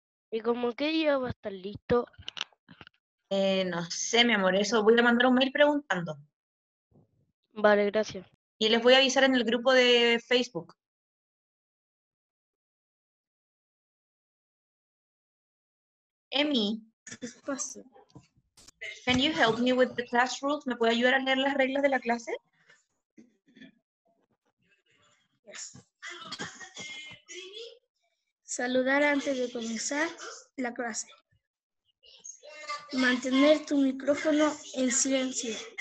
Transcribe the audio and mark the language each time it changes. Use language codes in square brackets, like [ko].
[es] ¿Y como que ya va a estar listo? No sé, mi amor, eso voy a mandar un mail preguntando. Vale, gracias. Y les voy a avisar en el grupo de Facebook. [en] Emmy, can you help me with the class rules? [es] ¿Me puede ayudar a leer las reglas de la clase? [en] Yes. [es] Saludar antes de comenzar la clase. Mantener tu micrófono en silencio.